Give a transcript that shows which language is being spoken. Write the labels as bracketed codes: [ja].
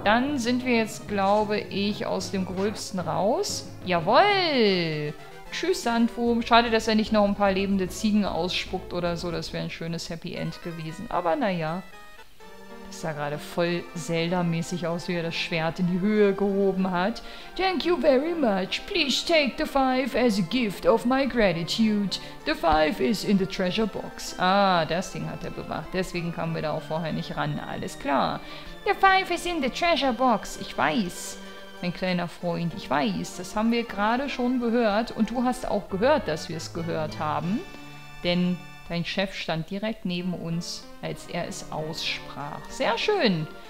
[de] Dann sind wir jetzt, glaube ich, aus dem Gröbsten raus. Jawoll! Tschüss, Sandwurm. Schade, dass er nicht noch ein paar lebende Ziegen ausspuckt oder so. Das wäre ein schönes Happy End gewesen. Aber naja. Das sah gerade voll Zelda-mäßig aus, wie er das Schwert in die Höhe gehoben hat. [en] Thank you very much. Please take the 5 as a gift of my gratitude. The 5 is in the treasure box. [de] Ah, das Ding hat er bewacht. Deswegen kamen wir da auch vorher nicht ran. Alles klar. [en] The 5 is in the treasure box. [de] Ich weiß, mein kleiner Freund. Ich weiß, das haben wir gerade schon gehört. Und du hast auch gehört, dass wir es gehört haben. Denn... dein Chef stand direkt neben uns, als er es aussprach. Sehr schön!